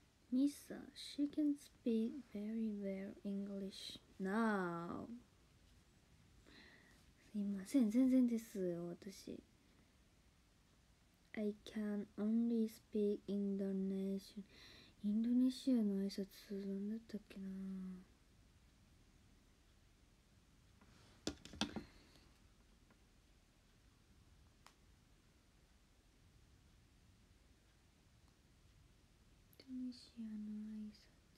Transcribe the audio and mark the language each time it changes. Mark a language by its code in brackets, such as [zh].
[en] Nisa, she can speak very well English now. [ja] すいません、全然ですよ、私。 [en] I can only speak Indonesian. [ja] インドネシアの挨拶なんだったっけな。インドネシアの挨拶。